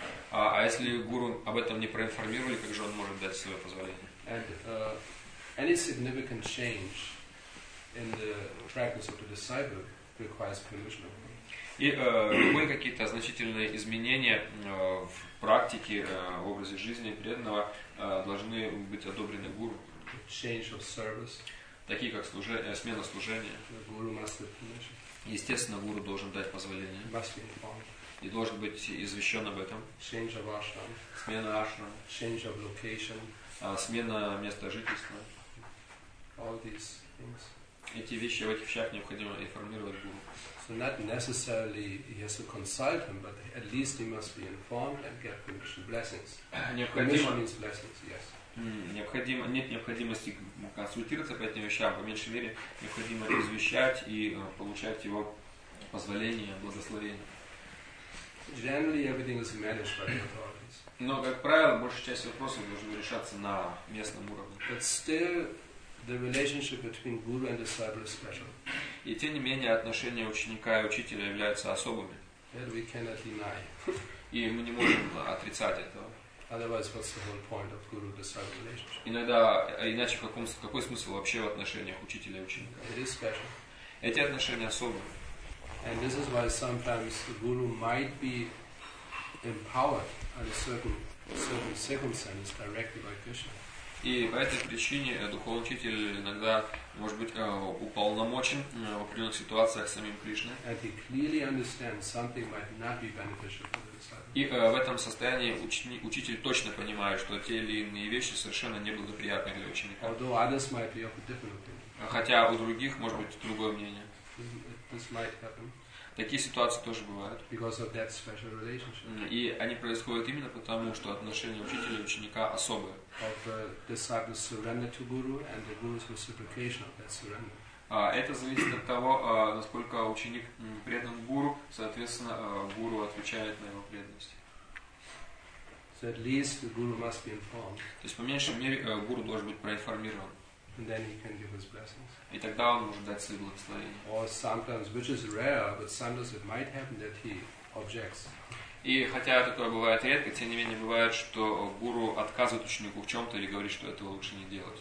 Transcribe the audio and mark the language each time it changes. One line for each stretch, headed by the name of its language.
Russian: А если гуру об этом не проинформировали, как же он может дать свое позволение?
English: Any significant change in the practice of the disciple requires permission.
Russian: И любые какие-то значительные изменения в практике, в образе жизни преданного должны быть одобрены гуру.
English: Change of service.
Russian: Такие как служение, смена служения.
English: Guru must have permission.
Russian: Естественно, гуру должен дать позволение.
English: Must be informed.
Russian: И должен быть извещен об этом.
English: Change of ashram.
Russian: Смена ашрам.
English: Change of location.
Russian: Смена места жительства.
English: All these things.
Russian: Эти вещи, в этих вещах необходимо информировать гуру.
English: So not necessarily he has to consult him, but at least he must be informed and get permission, blessings.
Russian: Необходимо,
English: permission means blessings, yes.
Russian: Необходимо, нет необходимости консультироваться по этим вещам, по меньшей мере необходимо извещать и получать его позволение, благословение.
English: Generally everything is managed by the authorities.
Russian: Но, как правило, большая часть вопросов должна решаться на местном уровне.
English: But still, the relationship between guru and disciple is special.
Russian: И тем не менее отношения ученика и учителя являются особыми.
English: That we cannot deny.
Russian: И мы не можем отрицать этого.
English: Otherwise, what's the whole point of guru-disciple relationship?
Russian: Иногда, иначе какой смысл вообще в отношениях учителя и ученика?
English: It is special.
Russian: Эти отношения особые.
English: And this is why sometimes the guru might be empowered under certain circumstances directly by Krishna.
Russian: И по этой причине духовный учитель иногда может быть уполномочен в определенных ситуациях самим Кришной.
English: And he clearly understands something might not be beneficial for the disciple.
Russian: И в этом состоянии учитель точно понимает, что те или иные вещи совершенно неблагоприятны для ученика.
English: Although others might be of a different opinion.
Russian: Хотя у других может быть другое мнение.
English: This might happen.
Russian: Такие ситуации тоже бывают.
English: Because of that special relationship.
Russian: И они происходят именно потому, что отношения учителя и ученика особые.
English: Of the disciple's surrender to guru and the guru's reciprocation of that surrender.
Russian: Это зависит от того, насколько ученик предан гуру, соответственно, гуру отвечает на его преданность.
English: So at least the guru must be informed.
Russian: То есть по меньшей мере гуру должен быть проинформирован.
English: And then he can give his blessings.
Russian: И тогда он может дать свои благословения.
English: Or sometimes, which is rare, but sometimes it might happen that he objects.
Russian: И хотя такое бывает редко, тем не менее бывает, что гуру отказывает ученику в чем-то или говорит, что этого лучше не делать.